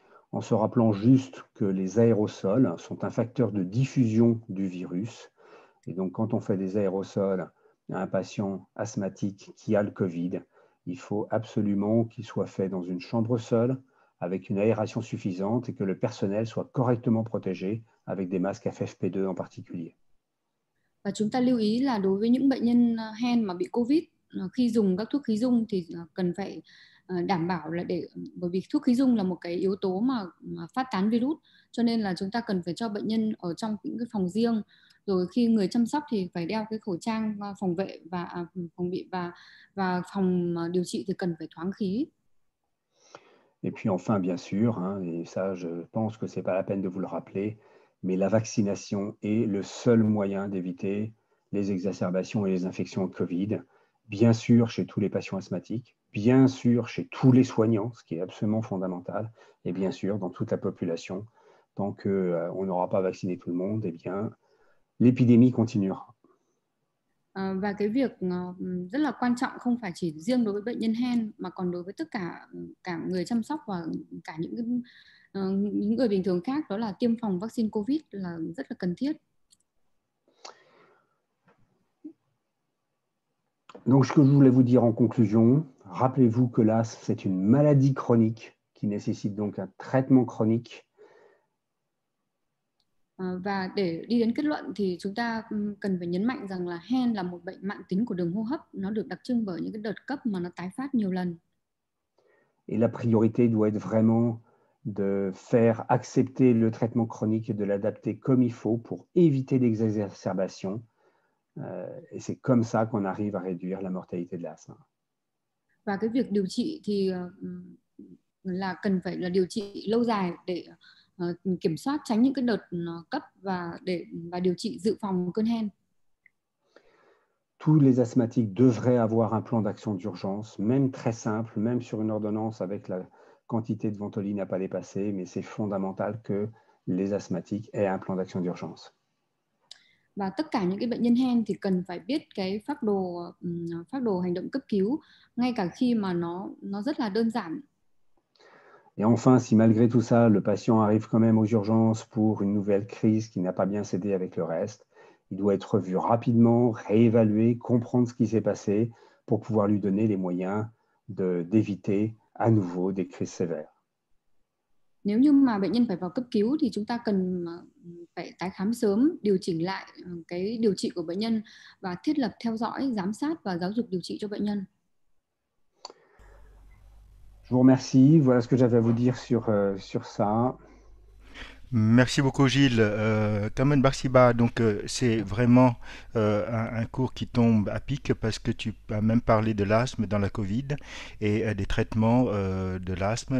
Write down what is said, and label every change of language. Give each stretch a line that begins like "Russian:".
French: En se rappelant juste que les aérosols sont un facteur de diffusion du virus. Et donc, quand on fait des aérosols à un patient asthmatique qui a le COVID, il faut absolument qu'il soit fait dans une chambre seule, avec une aération suffisante et que le personnel soit correctement protégé avec des masques FFP2 en particulier.
Vietnamese: Và chúng ta lưu ý là đối với những bệnh nhân hen mà bị COVID, khi dùng các thuốc khí dung thì cần phải đảm bảo là để bởi vì thuốc khí dung là một cái yếu tố mà phát tán virus, cho nên là chúng ta cần phải cho bệnh nhân ở trong những cái phòng riêng, rồi khi người chăm sóc thì phải đeo cái khẩu trang phòng vệ và phòng bị và phòng điều trị thì cần phải thoáng khí.
French: Et puis enfin, bien sûr, hein, et ça, je pense que ce n'est pas la peine de vous le rappeler, mais la vaccination est le seul moyen d'éviter les exacerbations et les infections au COVID, bien sûr chez tous les patients asthmatiques, bien sûr chez tous les soignants, ce qui est absolument fondamental, et bien sûr dans toute la population. Tant qu'on n'aura pas vacciné tout le monde, eh bien, l'épidémie continuera.
Vietnamese: Và cái việc rất là quan trọng không phải chỉ riêng đối với bệnh nhân hen mà còn đối với tất cả cả người chăm sóc và cả những người bình thường khác, đó là tiêm phòng vaccine COVID là rất là cần thiết.
French: Donc ce que je voulais vous dire en conclusion, rappelez-vous que l'asthme c'est une maladie chronique qui nécessite donc un traitement chronique.
Vietnamese: Và để đi đến kết luận thì chúng ta cần phải nhấn mạnh rằng là hen là một bệnh mạn tính của đường hô hấp, nó được đặc trưng bởi những cái đợt cấp mà nó tái phát nhiều lần.
French: Et la priorité doit être vraiment de faire accepter le traitement chronique et de l'adapter comme il faut pour éviter l'exacerbation. Et c'est comme ça qu'on arrive à réduire la mortalité de l'asthme.
Vietnamese: Và cái việc điều trị thì là cần phải là điều trị lâu dài để kiểm soát tránh những cái đợt cấp và điều trị dự phòng cơn hen.
French: Tous les asthmatiques devraient avoir un plan d'action d'urgence, même très simple, même sur une ordonnance avec la quantité de Ventoline à pas dépasser, mais c'est fondamental que les asthmatiques aient un plan d'action d'urgence.
Vietnamese: Và tất cả những cái bệnh nhân hen thì cần phải biết cái phác đồ hành động cấp cứu, ngay cả khi mà nó rất là đơn giản.
French: Et enfin, si malgré tout ça, le patient arrive quand même aux urgences pour une nouvelle crise qui n'a pas bien cédé avec le reste, il doit être vu rapidement, réévalué, comprendre ce qui s'est passé pour pouvoir lui donner les moyens d'éviter à nouveau des crises sévères.
Vietnamese: Nếu như mà bệnh nhân phải vào cấp cứu thì chúng ta cần phải tái khám sớm, điều chỉnh lại cái điều trị của bệnh nhân và thiết lập theo dõi, giám sát và giáo dục điều trị cho bệnh nhân.
French: Je vous remercie. Voilà ce que j'avais à vous dire sur ça. Merci beaucoup, Gilles. Kamen Barsiba, donc c'est vraiment un cours qui tombe à pic parce que tu as même parlé de l'asthme dans la COVID et des traitements de l'asthme.